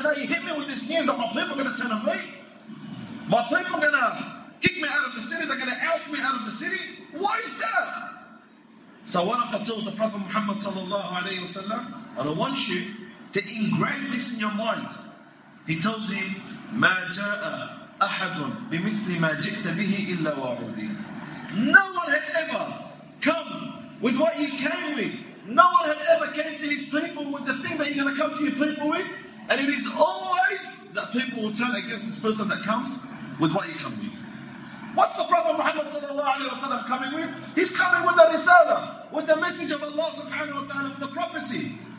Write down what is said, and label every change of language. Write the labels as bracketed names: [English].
[English] Now you hit me with this news that my people are going to turn on me. My people are going to kick me out of the city. They're going to oust me out of the city. Why is that? So Waraqa tells the Prophet Muhammad sallallahu alayhi wa sallam, and I want you to engrave this in your mind. He tells him, [Arabic] مَا جَاءَ أَحَدٌ بِمِثْلِ مَا جِئْتَ بِهِ إِلَّا وَعُودِي. [English] No one had ever come with what he came with. No one had ever came to his people with the thing that you're going to come to your people with. And it is always that people will turn against this person that comes with what you come with. What's the Prophet Muhammad sallallahu alayhi wa sallam coming with? He's coming with the risala, with the message of Allah subhanahu wa ta'ala, with the prophecy.